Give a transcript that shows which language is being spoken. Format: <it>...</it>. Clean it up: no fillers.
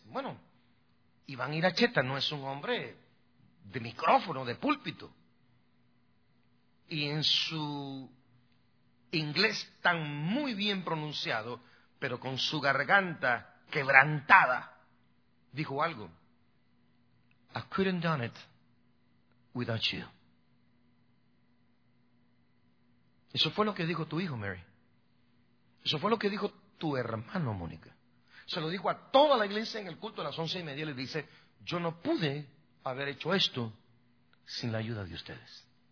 <es>Bueno, Iván Iracheta no es un hombre de micrófono, de púlpito. Y en su inglés tan muy bien pronunciado, pero con su garganta quebrantada, dijo algo.</es> <en>I couldn't done it without you.</en> <es>Eso fue lo que dijo tu hijo, Mary. Eso fue lo que dijo tu hermano, Mónica. Se lo dijo a toda la iglesia en el culto a las 11:30 y le dice, yo no pude haber hecho esto sin la ayuda de ustedes.</es>